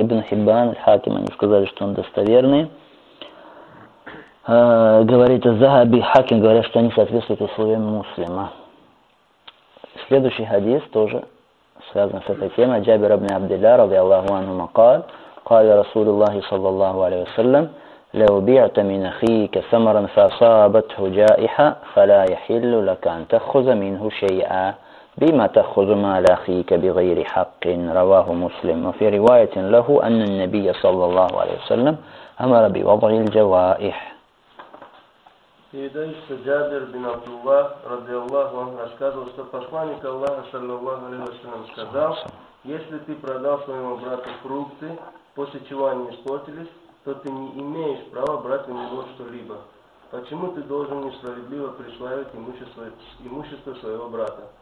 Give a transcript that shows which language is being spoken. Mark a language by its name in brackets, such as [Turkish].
[Russian] Ибн Хиббан, Хаким, они сказали, что он достоверный. Говорит Захаби, Хаким, говорят, что они соответствуют условиям муслима. Следующий хадис тоже связан с этой темой. Джабир ибн Абдилля, ради Аллаху анху макал. [Arabic] Каля Расулиллахи, саллаллаху алейхи вассалям. لو بعت من أخيك ثمرا فأصابته جائحة فلا يحل لك أن تأخذ منه شيئا بما تأخذ مال أخيك بغير حق رواه مسلم وفي رواية له أن النبي صلى الله عليه وسلم أمر بوضع الجوائح. [Russian] Передаю, что Джабир бин Абдуллах, ради Аллаху, он рассказывал, что посланник Аллаха, саллаллаху алейхи ва саллям, сказал, если ты продал своему брату фрукты, после чего они испортились, то ты не имеешь права брать у него что-либо. Почему ты должен несправедливо присваивать имущество своего брата?